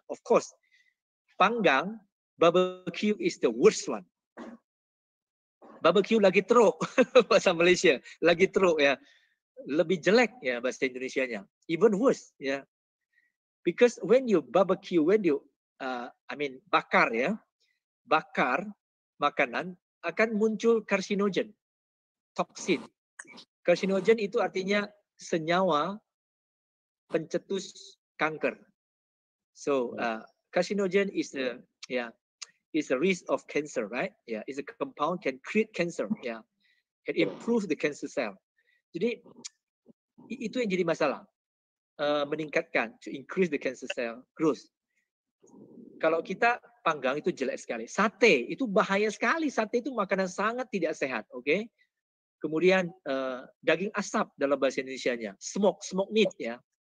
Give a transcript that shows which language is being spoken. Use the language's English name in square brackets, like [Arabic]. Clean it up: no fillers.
[English] Of course, panggang, barbecue is the worst one. [Malay] Barbecue lagi teruk, bahasa Malaysia. Lagi teruk ya. [Indonesian] Lebih jelek ya bahasa Indonesianya. [English] Even worse ya. Because when you barbecue, when you [Indonesian] bakar [English] ya. [Indonesian] Bakar makanan akan muncul karsinogen. Toksin. Karsinogen itu artinya senyawa pencetus kanker. [English] So, karsinogen is the is a risk of cancer, right? Yeah, it's a compound can create cancer. Yeah, can improve the cancer cell. [Indonesian] Jadi itu yang jadi masalah. Meningkatkan [English] to increase the cancer cell growth. [Indonesian] Kalau kita panggang itu jelek sekali. Sate itu bahaya sekali. Sate itu makanan sangat tidak sehat. Okay. Kemudian daging asap dalam bahasa Indonesianya. [English] Smoke meat. [Indonesian] Yeah.